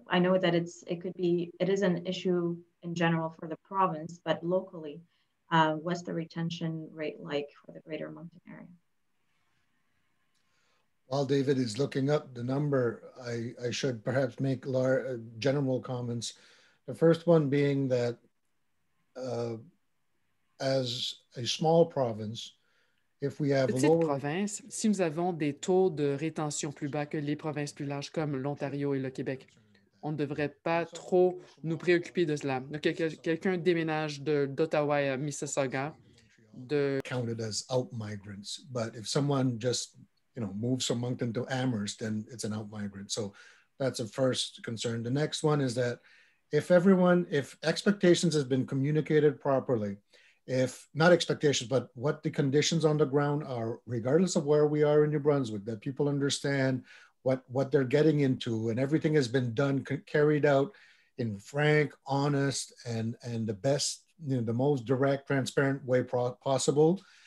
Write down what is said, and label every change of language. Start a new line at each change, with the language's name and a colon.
English: I know that it is an issue in general for the province, but locally, what's the retention rate like for the greater Moncton area? While David is looking up the number, I should perhaps make general comments. The first one being that as a small province, if we have
French: petite lower province, si nous avons des taux de rétention plus bas que les provinces plus larges comme l'Ontario et le Québec, on ne devrait pas trop nous préoccuper de cela. Donc, quelqu'un déménage d'Ottawa à Mississauga, de
English: counted as out migrants, but if someone just moves from Moncton to Amherst, then it's an out migrant. So that's a first concern. The next one is that if expectations has been communicated properly, if not expectations, but what the conditions on the ground are, regardless of where we are in New Brunswick, that people understand what they're getting into, and everything has been done, carried out in frank, honest, and the best, the most direct, transparent way possible.